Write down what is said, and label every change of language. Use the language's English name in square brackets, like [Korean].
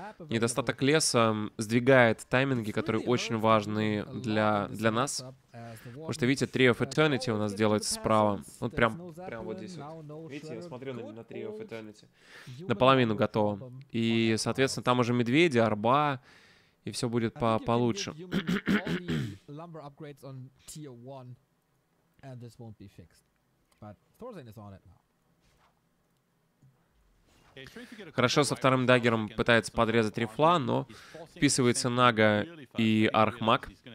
[Russian] Недостаток леса сдвигает тайминги, которые очень важны для нас. Потому что, видите, Tree of Eternity у нас делается справа. Вот прям вот здесь вот. Видите, я смотрю на Tree of Eternity. Наполовину готово. И, соответственно, там уже медведи, арба, и все будет получше. [English] Lumber upgrades on tier 1 and this won't be fixed. But Thorzane is on it now. [Russian] Хорошо, со вторым даггером пытается подрезать рифла, но вписывается Нага и Архмаг.